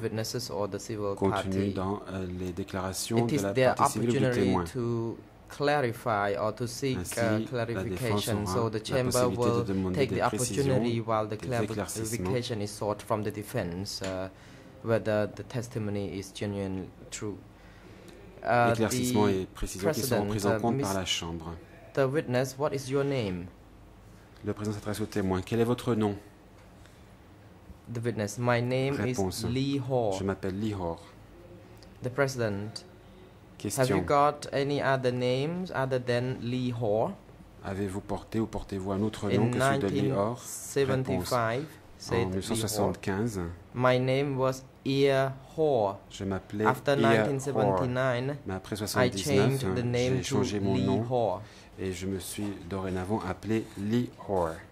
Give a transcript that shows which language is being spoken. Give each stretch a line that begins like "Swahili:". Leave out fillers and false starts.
English: witnesses or the civil party. Dans, les déclarations it is de la their opportunity to clarify or to seek clarification. So the chamber will take the opportunity while the clarification is sought from the defense. Whether the testimony is genuine, true.
French: Éclaircissement et précision qui seront pris en compte par la Chambre.
English: The witness, what is your name?
French: Le président s'adresse au témoin. Quel est votre nom?
English: The witness, my name
French: réponse,
English: is Lee Hor.
French: Je m'appelle Lee Hor.
English: The president, question. Have you got any other names other than Lee Hor?
French: Avez-vous porté ou portez-vous un autre nom que celui de Lee Hor?
English: Said
French: en 1975,
English: my name was Ear Hor.
French: Je m'appelais
English: after Ear 1979, I changed the name to Lee Hor.
French: Et je me suis dorénavant appelé Lee Hor.